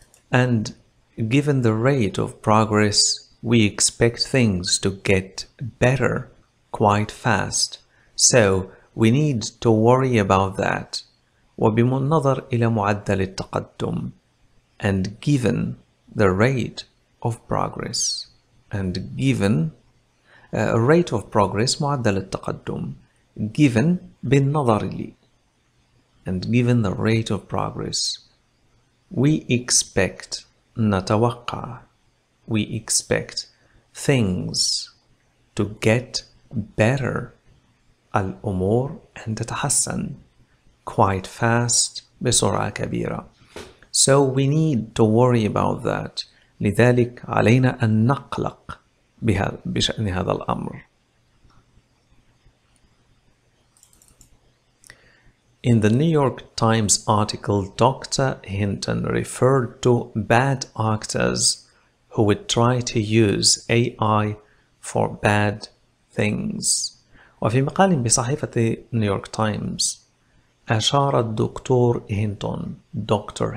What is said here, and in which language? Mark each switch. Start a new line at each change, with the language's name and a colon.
English: And given the rate of progress, we expect things to get better quite fast. So we need to worry about that.
Arabic: وبالنظر إلى معدل التقدم.
English: And given the rate of progress. And given rate of progress,
Arabic: معدل التقدم,
English: given,
Arabic: بالنظر لي,
English: and given the rate of progress, we expect,
Arabic: نتوقع,
English: we expect things to get better,
Arabic: الأمور, أن تتحسن,
English: quite fast,
Arabic: بسرعة كبيرة.
English: So we need to worry about that,
Arabic: لذلك علينا أن نقلق بشأن هذا الأمر.
English: In the New York Times article, Dr. Hinton referred to bad actors who would try to use AI for bad things.
Arabic: وفي مقال بصحيفة New York Times أشار الدكتور هينتون, Dr.